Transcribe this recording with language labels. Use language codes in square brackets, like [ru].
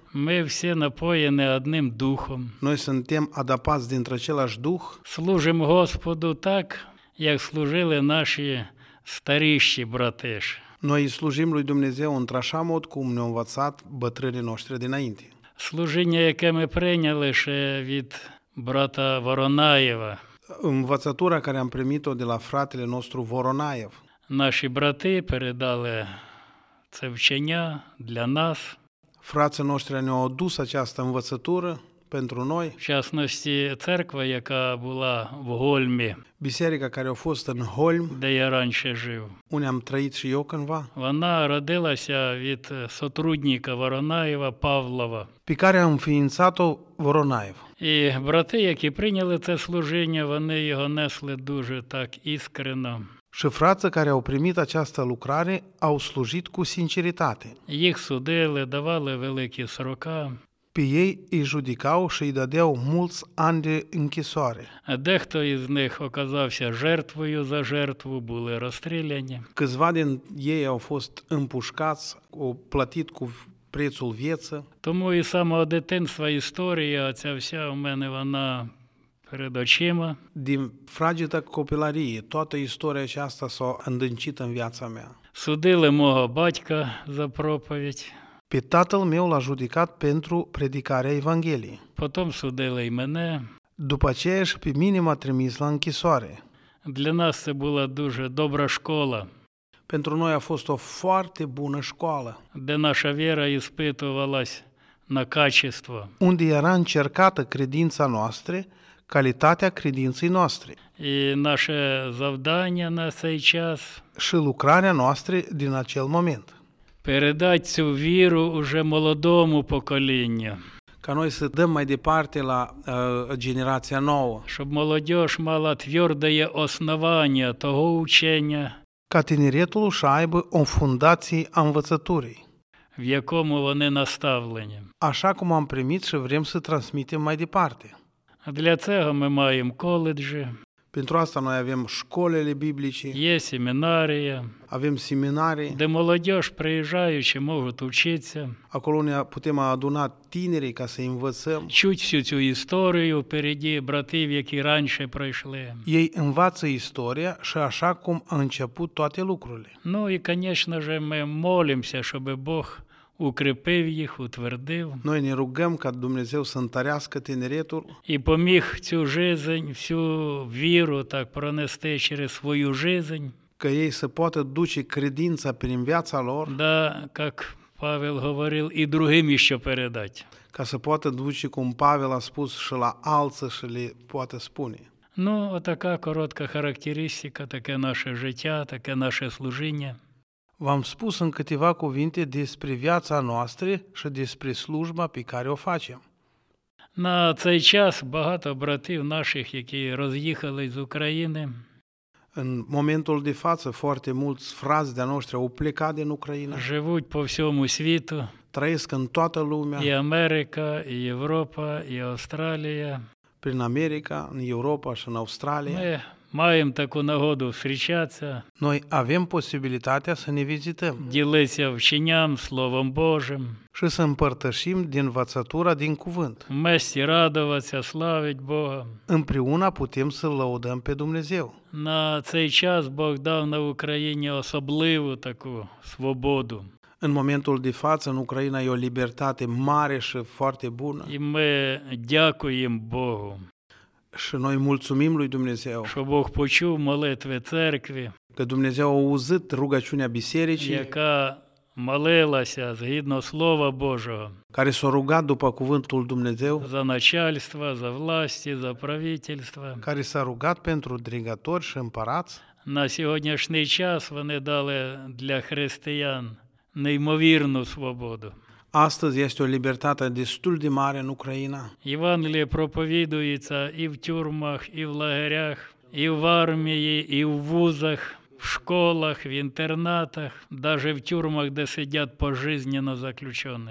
[uk] Ми всі напоєні одним духом. [ro] Ной сентем адапас дінтра челаш дух. [uk] Служим Господу так, як служили наші старіші братиш. [ro] Noi slujim lui Dumnezeu într-așa mod cum ne-au învățat bătrânii noștri dinainte. [uk] Служення, яке ми прийняли ще від брата Воронаєва. [ro] Învățătura care am primit-o de la fratele nostru Воронаєв. [uk] Наші брати передали це вчення для нас. [ro] Frații noștri ne-au adus această învățătură. pentru noi. [uk] В частности, церква, яка була в Гольмі. [ro] Biserica care a fost în Holm. [uk] Де я раньше жив. [ro] Unde am trăit și eu cândva. [uk] Вона родилася від сотрудника Воронаєва Павлова. [ro] Pe care am înființat-o Воронаєв. [uk] І брати, які прийняли це служіння, вони його несли дуже так іскрено. [ro] Și frații care au primit această lucrare au slujit cu sinceritate. [uk] Їх судили, давали великі срока. [ro] Pe ei îi judecau și îi dădeau mulți ani de închisoare. [uk] Дехто із них оказався жертвою за жертву, були розстріляні. [ro] Câțiva din ei au fost împușcați, au plătit cu prețul vieții. [uk] Тому і самого дитинства історія ця вся у мене вона перед очима. [ro] Din fragedă copilărie, toată istoria aceasta s-a îndâncit în viața mea. [uk] Судили мого батька за проповідь. [ro] Pe tatăl meu l-a judecat pentru predicarea Evangheliei. [uk] Потом судили й мене. [ro] După aceea și pe mine m-a trimis la închisoare. [uk] Для нас це була дуже добра школа. [ro] Pentru noi a fost o foarte bună școală. [uk] Де наша віра іспитувалась на качество. [ro] Unde era încercată credința noastră, calitatea credinței noastre. [uk] І наше завдання на цей час. [ro] Și lucrarea noastră din acel moment. [uk] Передати цю віру уже молодому поколінню. [ro] Ca noi să dăm mai departe la generația nouă. [uk] Щоб молодіжь мала твердое основання того учення. [ro] Ca tineretul să aibă o fundație a învățăturii. [uk] В якому вони наставлені. [ro] Așa cum am primit și vrem să transmitem mai departe. [uk] Для цього ми маємо коледжі. [ro] Pentru asta noi avem școlile biblice. [uk] Є семінарії. [ro] Avem seminarii. [uk] Де молодіжь приїжджаючи можуть вчитися. [ro] Acolo ne putem aduna tinerii ca să învățăm. [uk] Чуть всю цю історію переді братів, які раніше пройшли. [ro] Ei învață istoria și așa cum a început toate lucrurile. [uk] Ну і, звісно ж, ми молимося, щоб Бог укріпив їх, утвердив. [ro] Noi ne rugăm ca Dumnezeu să întărească tineretul. [uk] І поміг цю жизнь, всю віру так пронести через свою жизнь. [ro] Ca ei să poată duce credința prin viața lor. [ru] Да, как Павел говорил, [uk] і другим ще передати. [ro] Ca să poată duce, cum Павел a spus, și la alții și le poată spune. [uk] Ну, отака коротка характеристика, таке наше життя, таке наше служіння. [ro] V-am spus în câteva cuvinte despre viața noastră și despre slujba pe care o facem. [uk] На цей час багато братів наших, які роз'їхались з України. [ro] În momentul de față, foarte mulți frați de-a noștri au plecat din Ucraina. [uk] Живуть по всьому світу. [ro] Trăiesc în toată lumea. [uk] І Америка, і Європа, і Австралія. [ro] Prin America, în Europa și în Australia. [uk] Маємо таку нагоду зустрічатися. [ro] Noi avem posibilitatea să ne vizităm. [uk] Ділитися вченням, Словом Божим. [ro] Și să împărtășim din învățătura din cuvânt. [ru] Вместе радоваться, славить Бога. [ro] Împreună putem să lăudăm pe Dumnezeu. [uk] На цей час Бог дав на Україні особливу таку свободу. [ro] În momentul de față, în Ucraina e o libertate mare și foarte bună. [uk] І ми дякуємо Богу. [ro] Și noi mulțumim lui Dumnezeu. [uk] Що Бог почув молитви церкви. [ro] Că Dumnezeu a auzit rugăciunea bisericii. [uk] Яка молилася згідно слова Божого. [ro] Care s-a rugat după cuvântul Dumnezeu. [uk] За начальство, за власти, за правительство. [ro] Care s-a rugat pentru dregători și împărați. [uk] На сьогоднішній час вони дали для християн неймовірну свободу. [ro] Astăzi este o libertate destul de mare în Ucraina. Evanghelia propovăduiește și în [uk] тюрмах, și în лагерях, și în armie, și în вузах, в школах, в інтернатах, даже в тюрмах, де сидять пожизненно заключені.